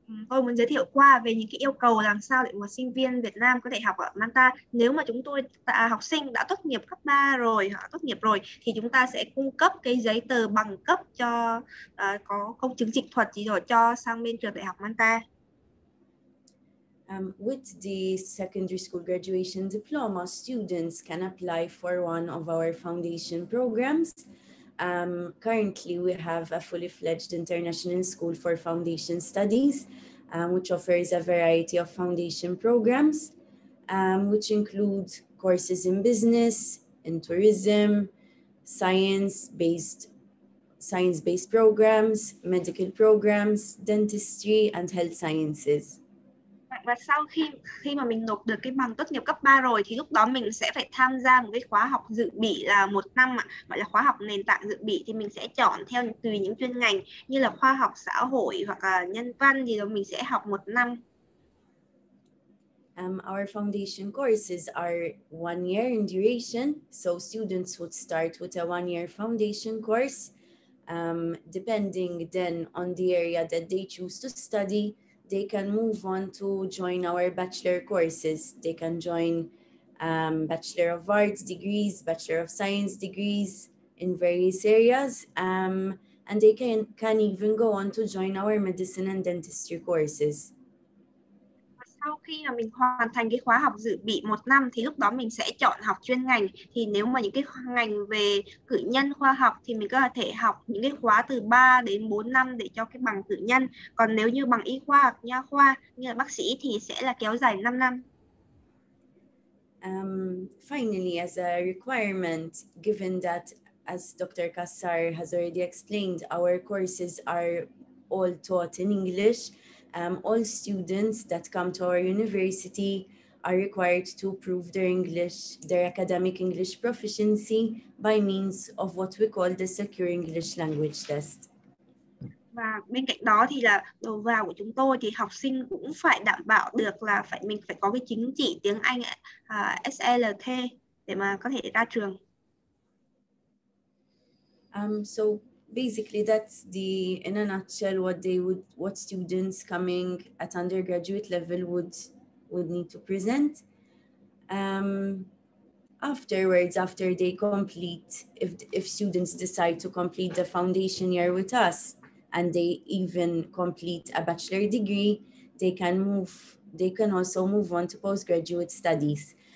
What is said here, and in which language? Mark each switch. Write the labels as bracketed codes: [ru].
[vi] Tôi muốn giới thiệu qua về những cái yêu cầu làm sao để một sinh viên Việt Nam có thể học ở Malta. Nếu mà chúng tôi học sinh đã tốt nghiệp cấp 3 rồi, họ tốt nghiệp rồi thì chúng ta sẽ cung cấp cái giấy tờ bằng cấp cho có công chứng dịch thuật gì rồi cho sang bên trường Đại học Malta. [en] With the secondary school graduation diploma, students can apply for one of our foundation programs. Currently, we have a fully fledged international school for foundation studies, which offers a variety of foundation programs, which include courses in business, in tourism, science-based science-based programs, medical programs, dentistry and health sciences. [vi] Và sau khi khi mà mình nộp được cái bằng tốt nghiệp cấp 3 rồi thì lúc đó mình sẽ phải tham gia một cái khóa học dự bị là một năm ạ, gọi là khóa học nền tảng dự bị, thì mình sẽ chọn theo tùy những chuyên ngành như là khoa học xã hội hoặc là nhân văn gì đó, mình sẽ học một năm. [en] Our foundation courses are 1 year in duration, so students would start with a 1 year foundation course, depending then on the area that they choose to study. They can move on to join our bachelor courses. They can join Bachelor of Arts degrees, Bachelor of Science degrees in various areas. And they can even go on to join our medicine and dentistry courses. [vi] Sau khi mà mình hoàn thành cái khóa học dự bị một năm thì lúc đó mình sẽ chọn học chuyên ngành. Thì nếu mà những cái ngành về cử nhân khoa học thì mình có thể học những cái khóa từ 3 đến 4 năm để cho cái bằng cử nhân. Còn nếu như bằng y khoa hoặc nha khoa như là bác sĩ thì sẽ là kéo dài 5 năm. [en] Finally, as a requirement, given that, as Dr. Kassar has already explained, our courses are all taught in English, all students that come to our university are required to prove their English, their academic English proficiency by means of what we call the secure English language test. [vi] Và bên cạnh đó thì là đầu vào của chúng tôi thì học sinh cũng phải đảm bảo được là phải mình phải có cái chứng chỉ tiếng Anh SLT để mà có thể ra trường. [en] Basically, that's the, in a nutshell, what students coming at undergraduate level would need to present. Afterwards, after they complete, if students decide to complete the foundation year with us, and they even complete a bachelor degree, they can also move on to postgraduate studies.